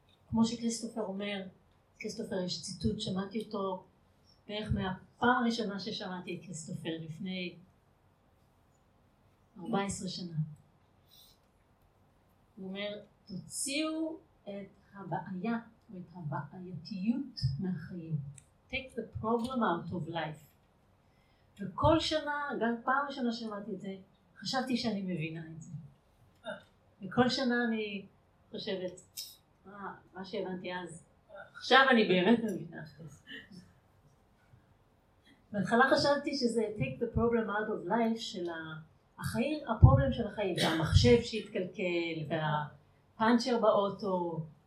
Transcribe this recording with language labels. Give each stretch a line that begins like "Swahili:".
Hebrew: כמו שכריסטופר אומר, כריסטופר יש ציטוט, שמעתי אותו בערך מהפעם הראשונה ששמעתי את כריסטופר לפני 14 שנה. הוא אומר, תוציאו את הבעיה או את הבעייתיות מהחיים.
English: Take the problem out of life.
Hebrew: וכל שנה, גם פעם ראשונה שמעתי את זה, חשבתי שאני מבינה את זה. וכל שנה אני חושבת, מה שהבנתי אז, עכשיו אני באמת מבינה בהתחלה חשבתי שזה
English: take the problem out of life
Hebrew: של החיים, הפרובלם של החיים, והמחשב שהתקלקל, והפאנצ'ר באוטו.